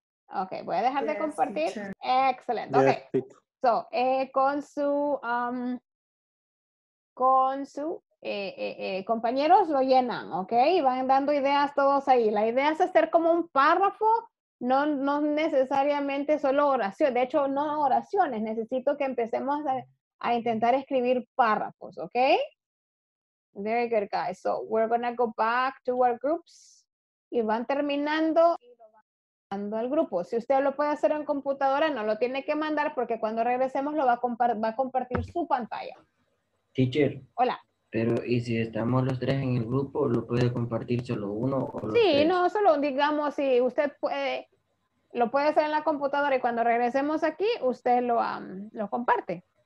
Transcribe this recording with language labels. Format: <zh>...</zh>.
<es>Ok, voy a dejar de compartir. Excelente. Ok. So, con su compañeros lo llenan, ok. Y van dando ideas todos ahí. La idea es hacer como un párrafo, no necesariamente solo oración. De hecho, no oraciones. Necesito que empecemos a intentar escribir párrafos, ok.</es> <en>Very good, guys. So, we're going to go back to our groups.</en> <es>Y van terminando al grupo. Si usted lo puede hacer en computadora, no lo tiene que mandar porque cuando regresemos lo va a compartir su pantalla.</es> <en>Teacher.</en> <es>Hola. Pero, ¿y si estamos los tres en el grupo, lo puede compartir solo uno? O sí, tres? No, solo digamos, si usted puede, lo puede hacer en la computadora y cuando regresemos aquí, usted lo comparte.</es>